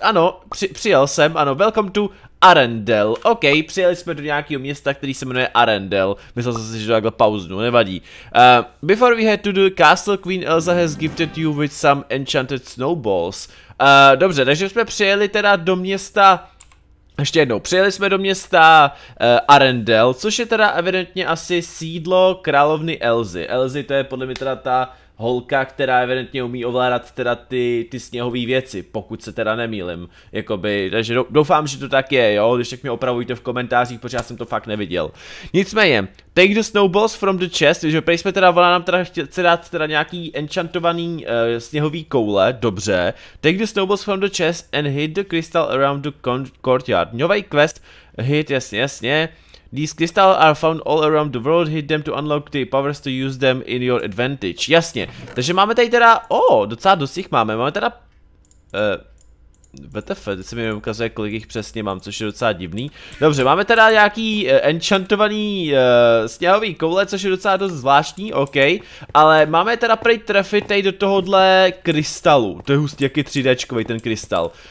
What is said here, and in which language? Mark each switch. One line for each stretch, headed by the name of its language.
Czech: Ano, přijel jsem, ano,
English: welcome to Arendelle.
Czech: OK, přijeli jsme do nějakého města, který se jmenuje Arendelle. Myslel jsem si, že to takhle pauznu, nevadí.
English: Before we head to the castle, Queen Elsa has gifted you with some enchanted snowballs.
Czech: Dobře, takže jsme přijeli teda do města... Ještě jednou, přijeli jsme do města Arendelle, což je teda evidentně asi sídlo královny Elzy. Elzy to je podle mě teda ta holka, která evidentně umí ovládat teda ty sněhové věci, pokud se teda nemýlim. Jakoby, takže doufám, že to tak je, jo, když tak mě opravujte v komentářích, protože já jsem to fakt neviděl. Nicméně,
English: take the snowballs from the chest,
Czech: že prý jsme teda, ona nám teda chce dát teda nějaký enchantovaný sněhový koule, dobře.
English: Take the snowballs from the chest and hit the crystal around the courtyard.
Czech: Nový quest, hit, jasně, jasně.
English: These crystals are found all around the world, hit them to unlock the powers to use them in your advantage.
Czech: Jasně, takže máme tady teda, docela dost jich máme, máme teda, WTF, teď se mi ukazuje, kolik jich přesně mám, což je docela divný. Dobře, máme teda nějaký enchantovaný sněhový koule, což je docela dost zvláštní, OK. Ale máme teda prej trefit tady do tohohle krystalu, to je hustý, jaký 3Dčkový ten krystal.